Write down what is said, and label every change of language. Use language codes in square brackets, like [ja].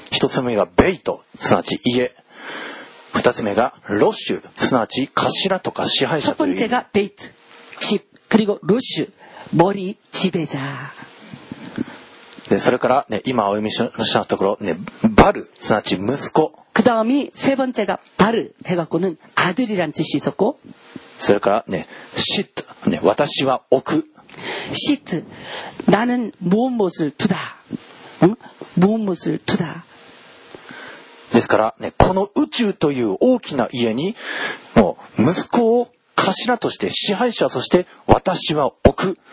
[ja] 1つ目がベイト、すなわち家。2つ目がロッシュ、すなわち頭とか支配者という意味。 [ko] 첫번째がベイト、집、그리고ロッシュ、머리、지배자。 [ja] で、それからね、今お読みしたところ、ね、バル、すなわち息子。 [ko] 그다음이세번째가바르해갖고는아들이란뜻이있었고 [ja] それからね、シット、ね、私は置く。 [ko] シット、나는무엇무엇두다。 무엇무엇두다。 [ja] ですからね、この宇宙という大きな家に、もう息子を頭として支配者として私は置く。